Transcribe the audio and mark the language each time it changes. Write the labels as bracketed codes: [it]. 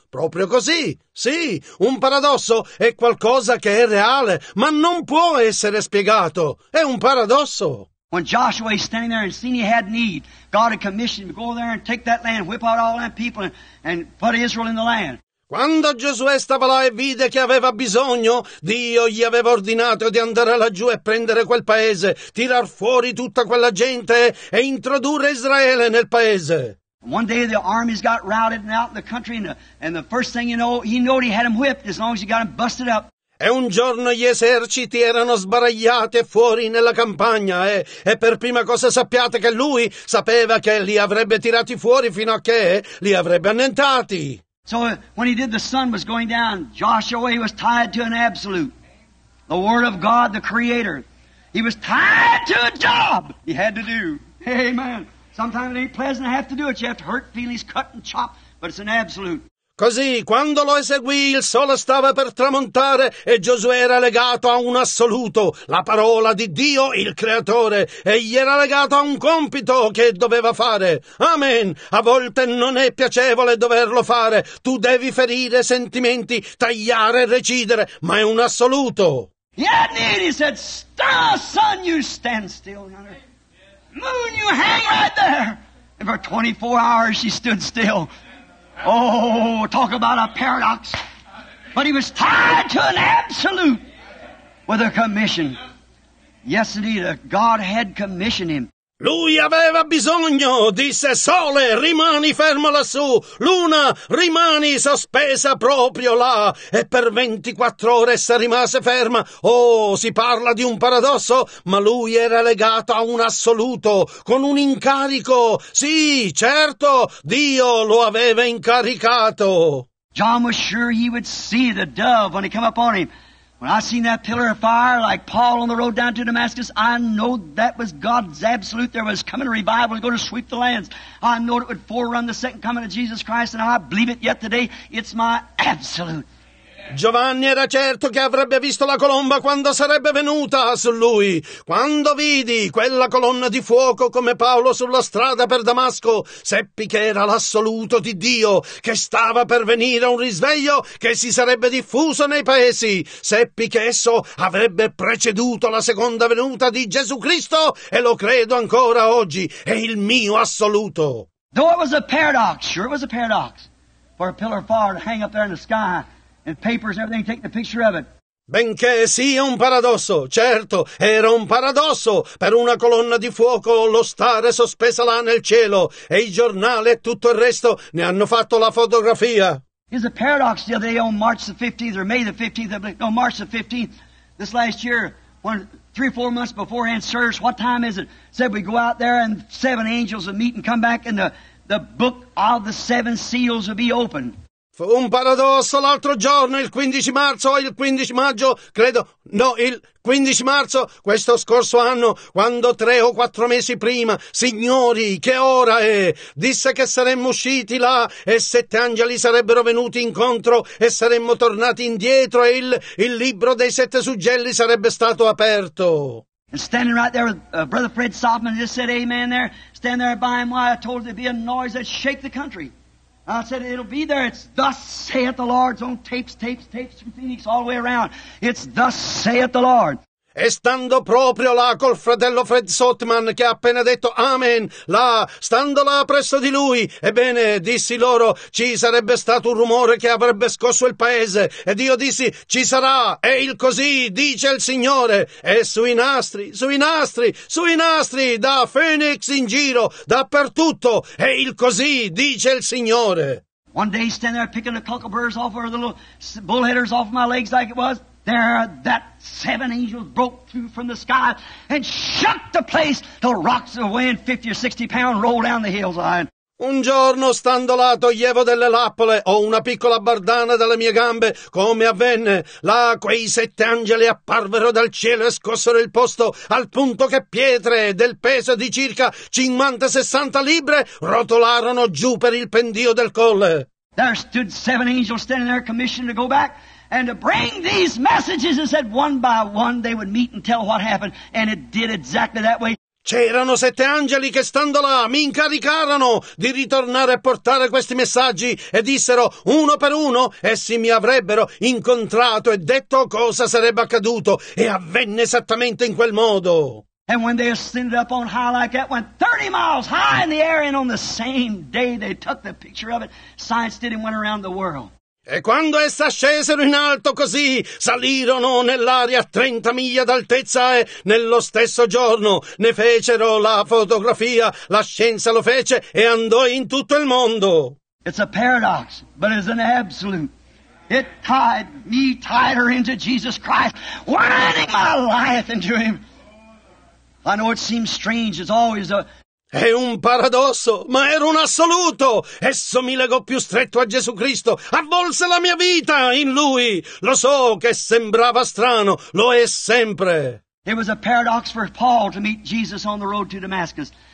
[it] Proprio così, sì, un paradosso è qualcosa che è reale, ma non può essere spiegato. È un paradosso. [en] When Joshua was standing there and seen he had need, God had commissioned him to go there and take that land, whip out all that people and put Israel in the land. [it] Quando Giosuè stava là e vide che aveva bisogno, Dio gli aveva ordinato di andare laggiù e prendere quel paese, tirar fuori tutta quella gente e introdurre Israele nel paese. [en] One day the armies got routed and out in the country and the first thing you know, he had them whipped as long as he got them busted up. [it] E un giorno gli eserciti erano sbaragliati fuori nella campagna e per prima cosa sappiate che lui sapeva che li avrebbe tirati fuori fino a che li avrebbe annientati. [en] So when he did, the sun was going down. Joshua, he was tied to an absolute. The word of God, the creator. He was tied to a job he had to do. Amen. Sometimes it ain't pleasant to have to do it. You have to hurt feelings, cut and chop, but it's an absolute. [it] Così, quando lo eseguì, il sole stava per tramontare e Giosuè era legato a un assoluto, la parola di Dio, il Creatore, e gli era legato a un compito che doveva fare. Amen. A volte non è piacevole doverlo fare. Tu devi ferire sentimenti, tagliare e recidere, ma è un assoluto. [en] He said, star, sun, you stand still. Moon, you hang right there. And for 24 hours she stood still. Oh, talk about a paradox. But he was tied to an absolute with a commission. Yes, indeed, God had commissioned him. [it] Lui aveva bisogno, disse, sole, rimani fermo lassù, luna, rimani sospesa proprio là. E per 24 ore essa rimase ferma. Oh, si parla di un paradosso, ma lui era legato a un assoluto, con un incarico. Sì, certo, Dio lo aveva incaricato. [en] John was sure he would see the dove when he came upon him. When I seen that pillar of fire like Paul on the road down to Damascus, I know that was God's absolute. There was coming a revival going to sweep the lands. I know it would forerun the second coming of Jesus Christ, and I believe it yet today. It's my absolute. [it] Giovanni era certo che avrebbe visto la colomba quando sarebbe venuta su lui. Quando vidi quella colonna di fuoco come Paolo sulla strada per Damasco, seppi che era l'assoluto di Dio, che stava per venire un risveglio che si sarebbe diffuso nei paesi. Seppi che esso avrebbe preceduto la seconda venuta di Gesù Cristo, e lo credo ancora oggi, è il mio assoluto. [en] Though it was a paradox, sure it was a paradox, for a pillar of fire to hang up there in the sky. And papers and everything, take the picture of it. [it] Benché sia un paradosso, certo, era un paradosso per una colonna di fuoco lo stare sospesa là nel cielo, e il giornale e tutto il resto ne hanno fatto la fotografia. [en] It's a paradox. The other day on March the 15th, or May the 15th, no, March the 15th, this last year, when, 3 or 4 months beforehand, sirs, what time is it? Said we go out there and 7 angels would meet and come back, and the book of the 7 seals would be opened. [it] Fu un paradosso l'altro giorno, il 15 marzo o il 15 maggio, credo, no, il 15 marzo, questo scorso anno, quando 3 o 4 mesi prima, signori, che ora è? Disse che saremmo usciti là e 7 angeli sarebbero venuti incontro e saremmo tornati indietro e il libro dei 7 suggelli sarebbe stato aperto. [en] And standing right there with Brother Fred Sofman, just said amen there, stand there by him while I told there'd be a noise that shake the country. I said, it'll be there. It's thus saith the Lord. It's on tapes, tapes, tapes from Phoenix all the way around. It's thus saith the Lord. [it] E stando proprio là col fratello Fred Sotman, che ha appena detto amen, là, stando là presso di lui, ebbene, dissi loro, ci sarebbe stato un rumore che avrebbe scosso il paese. Ed io dissi, ci sarà, è il così, dice il Signore. E sui nastri, sui nastri, sui nastri, da Phoenix in giro, dappertutto, è il così, dice il Signore. [en] One day stand there picking the cockleburrs off or the little bullheaders off my legs like it was. There, that 7 angels broke through from the sky and shook the place till rocks weighing 50 or 60 pounds rolled down the hillside. [it] Un giorno, stando là, toglievo delle lappole o una piccola bardana dalle mie gambe, come avvenne. Là, quei 7 angeli apparvero dal cielo e scossero il posto, al punto che pietre del peso di circa 50-60 libre rotolarono giù per il pendio del colle. [en] There stood 7 angels standing there, commissioned to go back. And to bring these messages, and said one by one they would meet and tell what happened, and it did exactly that way. [it] C'erano 7 angeli che stando là mi incaricarono di ritornare a portare questi messaggi, e dissero uno per uno, essi mi avrebbero incontrato e detto cosa sarebbe accaduto, e avvenne esattamente in quel modo. [en] And when they ascended up on high like that, went 30 miles high in the air, and on the same day they took the picture of it, science did, and went around the world. [it] E quando essa scesero in alto così, salirono nell'aria a 30 miglia d'altezza e nello stesso giorno ne fecero la fotografia, la scienza lo fece e andò in tutto il mondo. [en] It's a paradox, but it's an absolute. It tied me, tied her into Jesus Christ, winding my life into Him. I know it seems strange, it's always a... [it] È un paradosso, ma era un assoluto. Esso mi legò più stretto a Gesù Cristo, avvolse la mia vita in Lui. Lo so che sembrava strano, lo è sempre. [en] It was a paradox for Paul to meet Jesus on the road to Damascus.